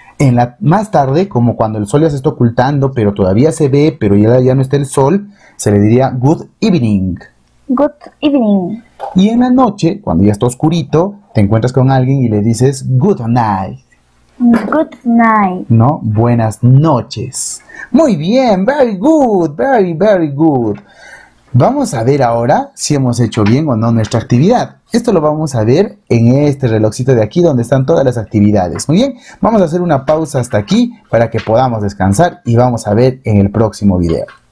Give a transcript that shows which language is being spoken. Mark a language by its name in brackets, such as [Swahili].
[Spanish] En la más tarde, como cuando el sol ya se está ocultando, pero todavía se ve, pero ya no está el sol, se le diría [English] good evening. Good evening. [Spanish] Y en la noche, cuando ya está oscurito, te encuentras con alguien y le dices [English] good night. Good night. [Spanish] No, buenas noches. Muy bien, [English] very good, very, very good. [Spanish] Vamos a ver ahora si hemos hecho bien o no nuestra actividad. Esto lo vamos a ver en este relojcito de aquí donde están todas las actividades. Muy bien, vamos a hacer una pausa hasta aquí para que podamos descansar y vamos a ver en el próximo video.